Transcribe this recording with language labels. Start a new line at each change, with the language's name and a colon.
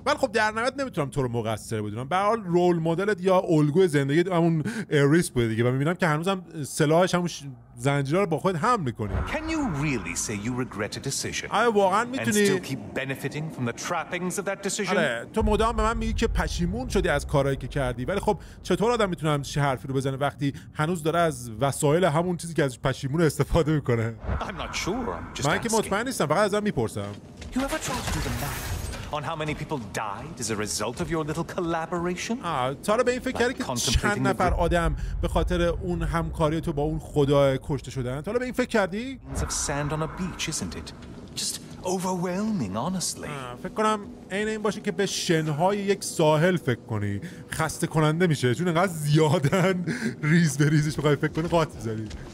Persian: ولی خب در نهایت نمیتونم تو رو مقصر بدونم، به هر حال رول مدلت یا الگوی زندگی همون اریس بوده دیگه و میبینم که هنوزم سلاحش همون زنجیره رو با خود هم میکنی.
English: Can you really say you regret a decision?
Persian: آره واقعا میتونی.
English: And still keep benefiting from the trappings of that decision.
Persian: آره تو مدام به من میگی که پشیمون شدی از کارهایی که کردی، ولی خب چطور آدم میتونه همچین حرفی رو بزنه وقتی هنوز داره از وسایل همون چیزی که ازش پشیمون استفاده میکنه؟
English: I'm not sure. I'm just
Persian: من
English: asking.
Persian: که مطمئن نیستم، فقط ازم میپرسم.
English: You ever tried to do the math on how many people died as a result of your little collaboration?
Persian: تا به این فکر کردی که چند نفر آدم به خاطر اون همکاری تو با اون خدا کشته شدن؟ تا به این فکر کردی؟
English: Sand on a beach, isn't it? Just overwhelming, honestly.
Persian: فکر کنم عین این باشه که به شنهای یک ساحل فکر کنی. خسته کننده میشه چون انقدر زیادن ریز به ریزش بخوای فکر کنی قاطی زدی.